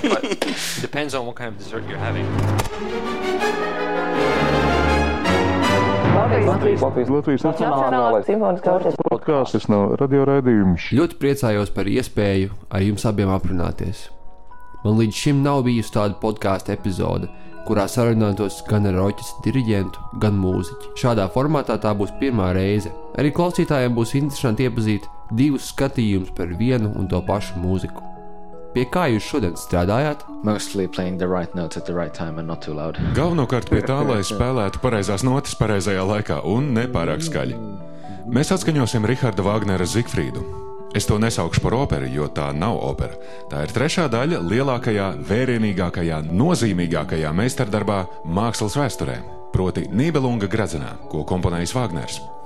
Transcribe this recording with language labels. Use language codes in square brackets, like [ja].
[en] But depends on what kind of dessert you're having. [lv] Ļoti priecājos par iespēju ar jums abiem aprunāties. Man līdz šim nav bijusi tāda podkāsta epizode, kurā sarunātos gan ar orķestra diriģentu, gan mūziķi. Šādā formātā tā būs pirmā reize. Arī klausītājiem būs interesanti iepazīt divus skatījumus par vienu un to pašu mūziku. Pie kā jūs šodien strādājāt? [en] Mostly playing the right notes at the right time and not too loud. [lv] Galvenokārt pie tā, lai spēlētu pareizās notas pareizajā laikā un nepārāk skaļi. Mēs atskaņosim Rihardu Vāgnera Zīgfrīdu. Es to nesaukšu par operu, jo tā nav opera. Tā ir trešā daļa lielākajā, vērienīgākajā, nozīmīgākajā meistardarbā mākslas vēsturē, proti Nībelunga gradzenā, ko komponējis Vāgners.